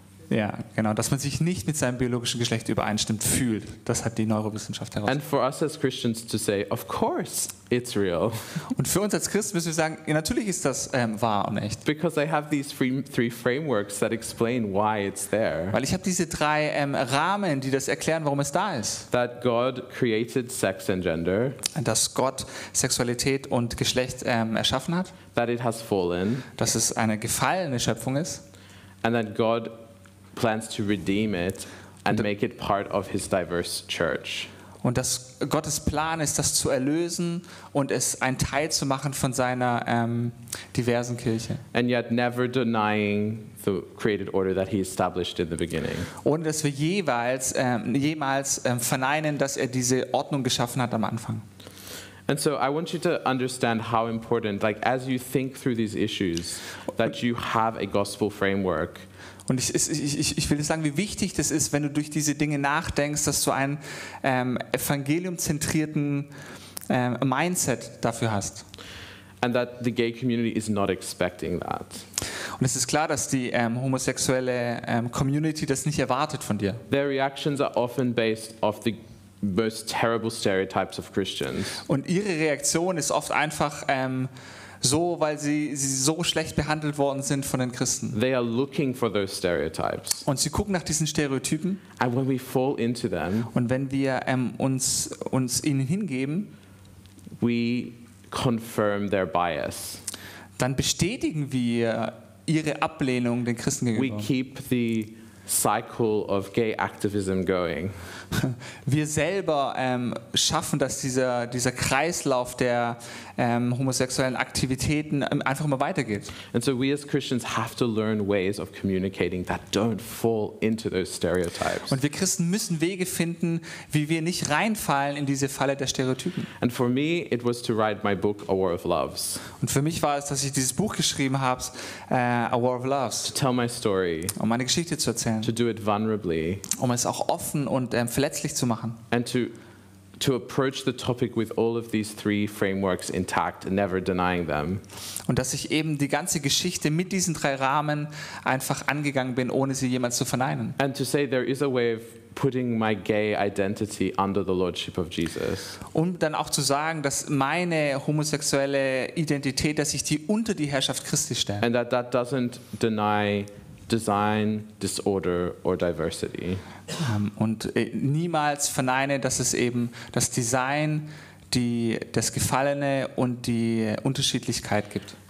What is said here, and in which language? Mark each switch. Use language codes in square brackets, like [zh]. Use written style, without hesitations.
[de] Ja, genau, dass man sich nicht mit seinem biologischen Geschlecht übereinstimmt, fühlt. Das hat die Neurowissenschaft herausgefunden. [en] And for us as Christians to say, of course it's real. [de] Und für uns als Christen müssen wir sagen, ja, natürlich ist das wahr und echt. [en] Because I have these three frameworks that explain why it's there. [de] Weil ich habe diese drei Rahmen, die das erklären, warum es da ist. [en] That God created sex and gender. [de] Dass Gott Sexualität und Geschlecht erschaffen hat. [en] That it has fallen. [de] Dass es eine gefallene Schöpfung ist. [en] And that God plans to redeem it and make it part of his diverse church. [de] Und dass Gottes Plan ist, das zu erlösen und es ein Teil zu machen von seiner diversen Kirche. [en] And yet never denying the created order that he established in the beginning. [de] Ohne dass wir jemals verneinen, dass er diese Ordnung geschaffen hat am Anfang. [en] And so I want you to understand how important, like as you think through these issues, that you have a gospel framework. [de] Und ich will sagen, wie wichtig das ist, wenn du durch diese Dinge nachdenkst, dass du einen evangeliumzentrierten Mindset dafür hast. [en] And that the gay community is not expecting that. [de] Und es ist klar, dass die homosexuelle Community das nicht erwartet von dir. [en] Their reactions are often based off the most terrible stereotypes of Christians. [de] Und ihre Reaktion ist oft einfach so, weil sie so schlecht behandelt worden sind von den Christen. [en] They are looking for those stereotypes. [de] Und sie gucken nach diesen Stereotypen. [en] And when we fall into them, [de] und wenn wir uns ihnen hingeben, [en] we confirm their bias. [de] Dann bestätigen wir ihre Ablehnung den Christen gegenüber. [en] We keep the cycle of gay activism going. [de] Wir selber schaffen, dass dieser Kreislauf der homosexuellen Aktivitäten einfach immer weitergeht. [en] And so we as Christians have to learn ways of communicating that don't fall into those stereotypes. [de] Und wir Christen müssen Wege finden, wie wir nicht reinfallen in diese Falle der Stereotypen. [en] And for me, it was to write my book, A War of Loves. [de] Und für mich war es, dass ich dieses Buch geschrieben habe, A War of Loves. [en] To tell my story. [de] Um meine Geschichte zu erzählen. [en] To do it vulnerably. [de] Um es auch offen und verletzlich zu machen. [en] And to approach the topic with all of these three frameworks intact, never denying them. [de] Und dass ich eben die ganze Geschichte mit diesen drei Rahmen einfach angegangen bin, ohne sie jemals zu verneinen. [en] And to say there is a way of putting my gay identity under the lordship of Jesus. [de] Und dann auch zu sagen, dass meine homosexuelle Identität, dass ich die unter die Herrschaft Christi stelle. [en] And that doesn't deny design, disorder or diversity. [de] Und niemals verneine, dass es eben das Design, das Gefallene und die Unterschiedlichkeit gibt.